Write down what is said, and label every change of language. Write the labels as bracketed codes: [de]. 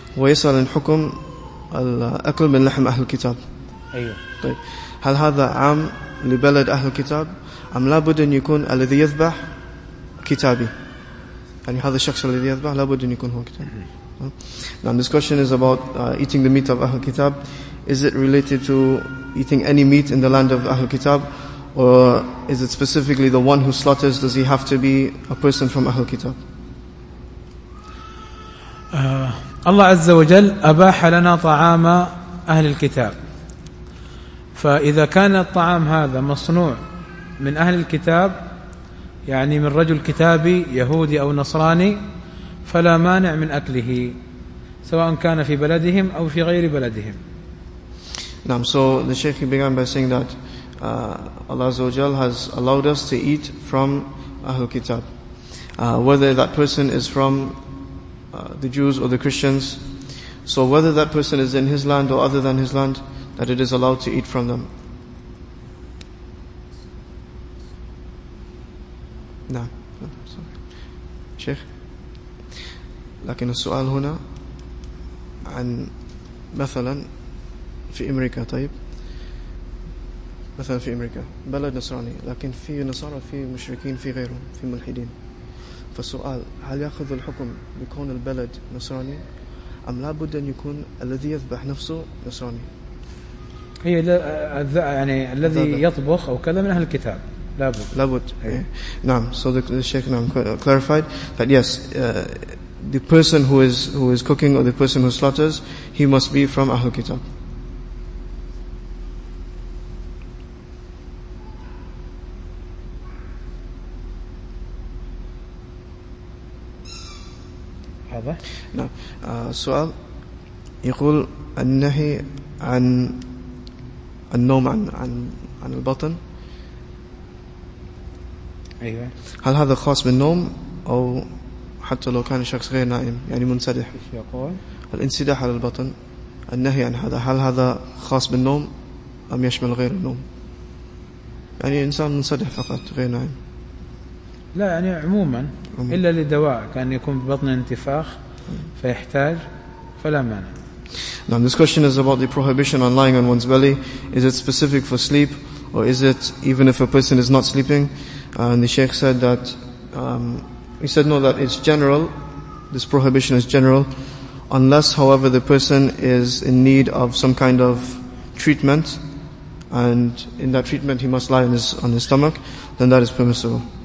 [ar] ويسأل عن حكم الأكل من لحم أهل الكتاب. أيوه. طيب، هل هذا عام لبلد أهل الكتاب أم لابد أن يكون الذي يذبح كتابي؟ يعني هذا الشخص الذي يذبح لابد أن يكون هو كتابي. [en] Now this question is about eating the meat of Ahl Kitab. Is it related to eating any meat in the land of Ahl Kitab, or is it specifically the one who slaughters? Does he have to be a person from Ahl Kitab? Allah Azza wa Jal [ar] أباح لنا طعام أهل الكتاب. فإذا كان الطعام هذا مصنوع من أهل الكتاب يعني من رجل كتابي يهودي أو نصراني فلا مانع من أكله سواء كان في بلدهم أو في غير بلدهم. نعم. [en] So the Sheikh began by saying that Allah Azza wa Jal has allowed us to eat from Ahlul Kitab. Whether that person is from the Jews or the Christians. So whether that person is in his land or other than his land, that it is allowed to eat from them. No. Sheikh. [ar] لكن السؤال هنا عن مثلا في أمريكا طيب مثلا في أمريكا بلد نصراني لكن في نصارى في مشركين في غيرهم في ملحدين فالسؤال هل يأخذ الحكم بكون البلد نصراني أم لابد أن يكون الذي يذبح نفسه نصراني هي يعني الذي يطبخ أو كذا من أهل الكتاب لابد لابد نعم [en] so the sheikh [ar] نعم [en] clarified that yes the person who is cooking or the person who slaughters, he must be from Ahlul Kitab. [ar] هذا؟ نعم. سؤال يقول النهي عن النوم عن البطن. أيوة. هل هذا خاص بالنوم أو حتى لو كان شخص غير نائم يعني منسدح يقول الانسداح على البطن النهي عن هذا هل هذا خاص بالنوم أم يشمل غير النوم يعني إنسان منسدح فقط غير نائم لا يعني عموما. إلا لدواء كان يكون ببطن انتفاخ فيحتاج فلا مانع [en] Now this question is about the prohibition on lying on one's belly is it specific for sleep or is it even if a person is not sleeping and the sheikh said that He said, no, that it's general, this prohibition is general, unless, however, the person is in need of some kind of treatment, and in that treatment he must lie on his stomach, then that is permissible.